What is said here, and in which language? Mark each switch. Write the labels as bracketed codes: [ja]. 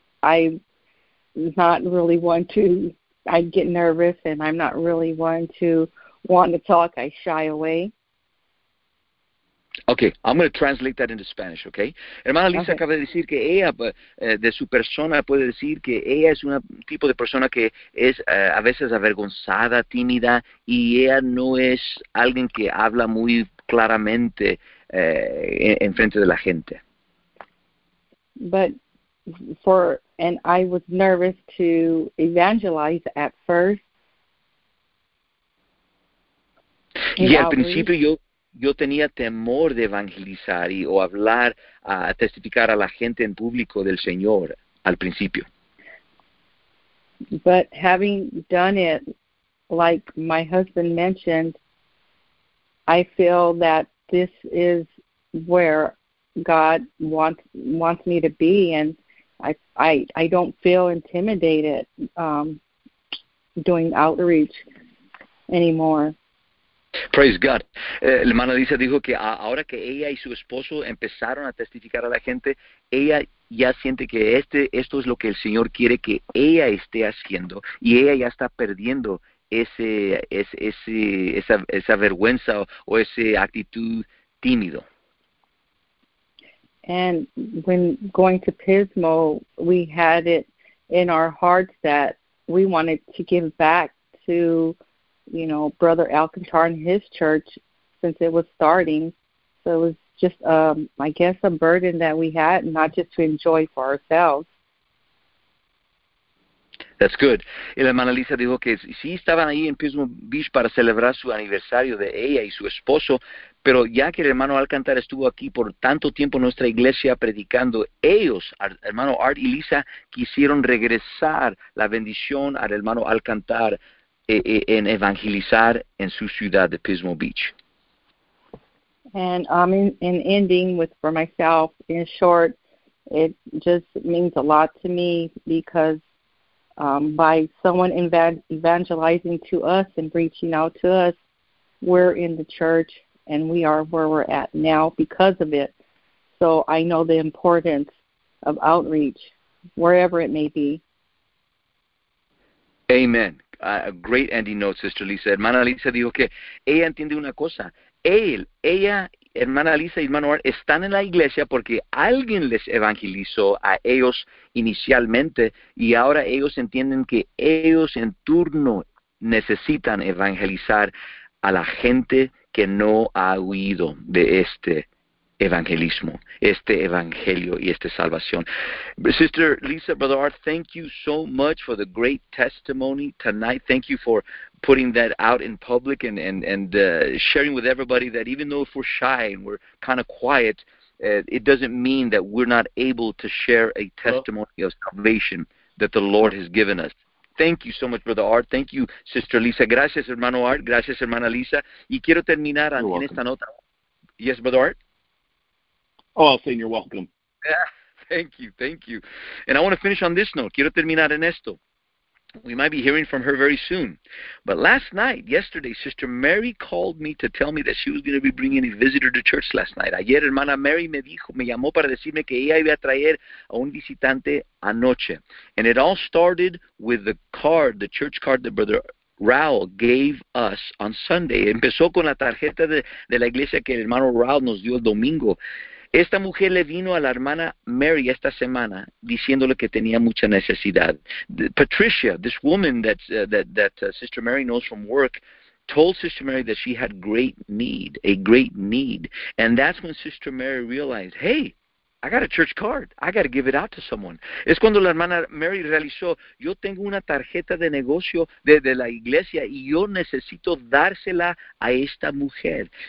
[en] I'm not really one to, I get nervous, and I'm not really one to want to talk. I shy away. Okay, I'm going to translate that into Spanish, okay? [es] Hermana Lisa okay. acaba de decir que ella, de su persona, puede decir que ella es un tipo de persona que es a veces avergonzada, tímida, y ella no es alguien que habla muy claramente en frente de la gente. [en] But for, and I was nervous to evangelize at first. [es] Y al principio yo tenía temor de evangelizar y o hablar, a testificar a la gente en público del Señor al principio. [en] But having done it, like my husband mentioned, I feel that this is where God wants me to be, and I don't feel intimidated doing outreach anymore. Praise God. [es] Hermana Lisa dijo que ahora que ella y su esposo empezaron a testificar a la gente, ella ya siente que esto es lo que el Señor quiere que ella esté haciendo, y ella ya está perdiendo esa vergüenza o esa actitud tímido. [en] And when going to Pismo, we had it in our hearts that we wanted to give back to, you know, Brother Alcantar and his church since it was starting. So it was just, I guess, a burden that we had, not just to enjoy for ourselves. That's good. [es] Y la hermana Lisa dijo que sí estaban ahí en Pismo Beach para celebrar su aniversario de ella y su esposo, pero ya que el hermano Alcantar estuvo aquí por tanto tiempo en nuestra iglesia predicando, ellos, hermano Art y Lisa, quisieron regresar la bendición al hermano Alcantar en evangelizar en su ciudad de Pismo Beach. [en] And in ending with for myself, in short, it just means a lot to me because by someone evangelizing to us and reaching out to us, we're in the church and we are where we're at now because of it. So I know the importance of outreach, wherever it may be. Amen. A great ending note, Sister Lisa. [es] Hermana Lisa dijo que ella entiende una cosa. Ella, hermana Lisa y hermano Art, están en la iglesia porque alguien les evangelizó a ellos inicialmente, y ahora ellos entienden que ellos en turno necesitan evangelizar a la gente que no ha huido de este evangelismo, este evangelio y esta salvación. [en] Sister Lisa, Brother Art, thank you so much for the great testimony tonight. Thank you for putting that out in public and sharing with everybody that even though if we're shy and we're kind of quiet, it doesn't mean that we're not able to share a testimony of salvation that the Lord has given us. Thank you so much, Brother Art. Thank you, Sister Lisa. [es] Gracias, hermano Art. Gracias, hermana Lisa. Y quiero terminar en esta nota. [en] Yes, Brother Art? Oh, I'll say you're welcome. Thank you. And I want to finish on this note. [es] Quiero terminar en esto. [en] We might be hearing from her very soon. But last night, yesterday, Sister Mary called me to tell me that she was going to be bringing a visitor to church last night. [es] Ayer, hermana Mary me llamó para decirme que ella iba a traer a un visitante anoche. [en] And it all started with the card, the church card that Brother Raul gave us on Sunday. [es] Empezó con la tarjeta de la iglesia que el hermano Raul nos dio el domingo. Esta mujer le vino a la hermana Mary esta semana diciéndole que tenía mucha necesidad. [en] Patricia, this woman that Sister Mary knows from work, told Sister Mary that she had a great need. And that's when Sister Mary realized, hey, I got a church card. I got to give it out to someone. [es] Es cuando la hermana Mary realizó, yo tengo una tarjeta de negocio de la iglesia y yo necesito dársela a esta mujer.